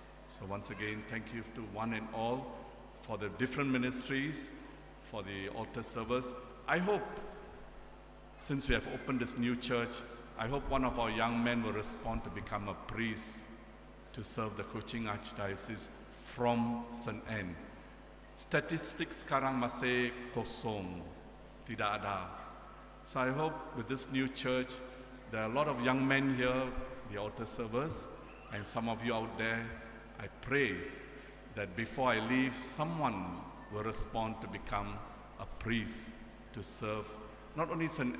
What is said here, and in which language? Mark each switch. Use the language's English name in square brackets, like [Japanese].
[English] So once again, thank you to one and all for the different ministries, for the altar servers. I hope, since we have opened this new church, I hope one of our young men will respond to become a priest to serve the Kuching Archdiocese from St. Anne. [Malay] Statistics sekarang masih kosong, tidak ada. [English] So I hope with this new church, there are a lot of young men here, the altar servers, and some of you out there, I pray that before I leave, someone will respond to become a priest to serve not only St.